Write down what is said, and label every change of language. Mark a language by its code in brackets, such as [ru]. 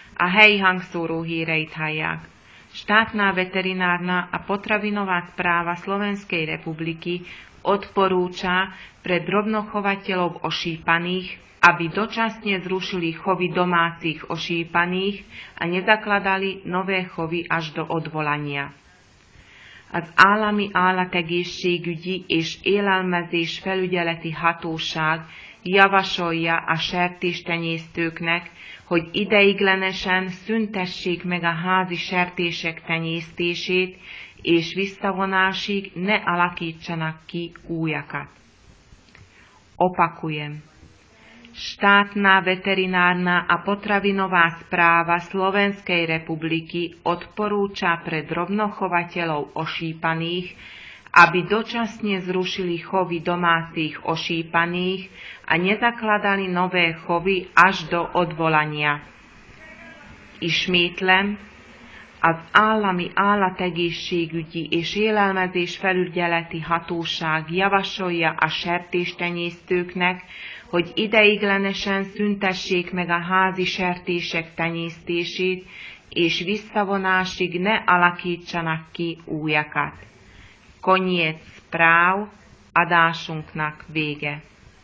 [sk] A hej, hangsúru, hírej, thajak. Štátna veterinárna a potravinová správa Slovenskej republiky odporúča pre drobnochovateľov ošípaných, aby dočasne zrušili chovy domácich ošípaných a nezakladali nové chovy až do odvolania. [hu] Az állami állategészségügyi és élelmezés felügyeleti hatóság javasolja a sertéstenyésztőknek, hogy ideiglenesen szüntessék meg a házi sertések tenyésztését, és visszavonásig ne alakítsanak ki újakat. [sk] Opakujem. Štátna veterinárna a potravinová správa Slovenskej republiky odporúča pre drobnochovateľov ošípaných, aby dočasne zrušili chovy domácich ošípaných a nezakladali nové chovy až do odvolania. [hu] Ismétlem, az állami állategészségügyi és élelmezés felügyeleti hatóság javasolja a sertéstenyésztőknek, hogy ideiglenesen szüntessék meg a házi sertések tenyésztését, és visszavonásig ne alakítsanak ki újakat. [sk] Koniec správ, [hu] adásunknak vége.